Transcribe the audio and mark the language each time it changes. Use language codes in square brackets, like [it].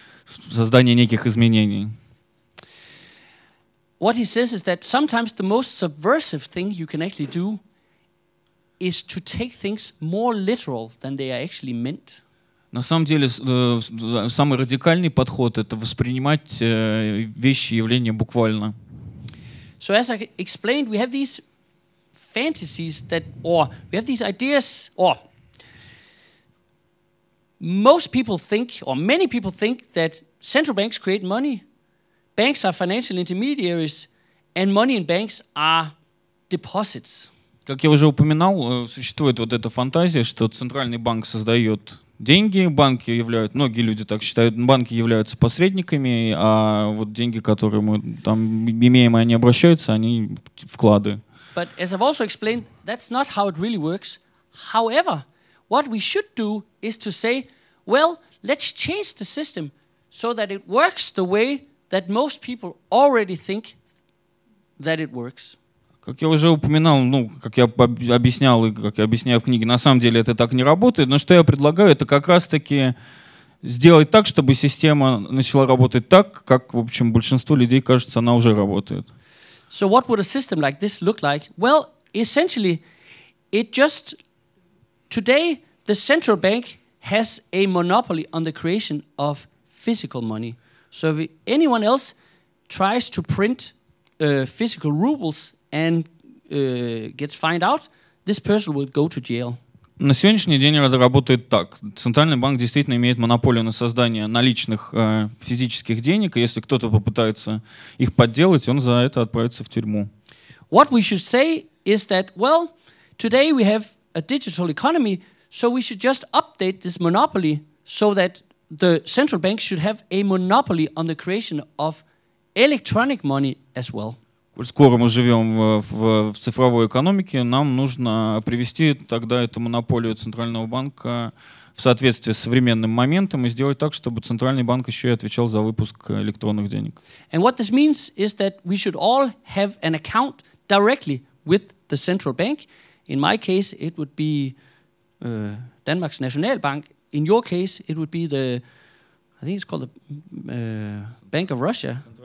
[ru] создание неких изменений. [en] What he says is that sometimes the most subversive thing you can actually do is to take things more literal than they are actually meant. [ru] На самом деле, самый радикальный подход — это воспринимать вещи, явления буквально. [en] So as I explained, we have these fantasies that, or we have these ideas, or most people think, or many people think that central banks create money. Banks are financial intermediaries, and money in banks are deposits. [ru] Как я уже упоминал, существует вот эта фантазия, что центральный банк создает деньги, банки являются, многие люди так считают, банки являются посредниками, а вот деньги, которые мы там имеем, они обращаются, они вклады. [en] But as I've also explained, that's not how it really works. However, what we should do is to say, well, let's change the system so that it works the way that most people already think that it works. [ru] Как я уже упоминал, ну, как я объяснял, и как я объясняю в книге, на самом деле это так не работает. Но что я предлагаю, это как раз-таки сделать так, чтобы система начала работать так, как, в общем, большинству людей кажется, она уже работает. [en] So what would a system like this look like? Well, essentially, it just... Today, the central bank has a monopoly on the creation of physical money. So if anyone else tries to print physical rubles and gets fined out, this person will go to jail. [ru] На сегодняшний день это работает так. Центральный банк действительно имеет монополию на создание наличных физических денег, и если кто-то попытается их подделать, он за это отправится в тюрьму. [en] What we should say is that, well, today we have a digital economy, so we should just update this monopoly so that the central bank should have a monopoly on the creation of electronic money as well. [ru] Скоро мы живем в цифровой экономике, нам нужно привести тогда эту монополию Центрального банка в соответствие с современным моментом и сделать так, чтобы Центральный банк еще и отвечал за выпуск электронных денег. [en] And what this means is that we should all have an account directly with the central bank. In my case, it would be Denmark's Nationalbank. In your case, it would be the, I think it's called the Bank of Russia.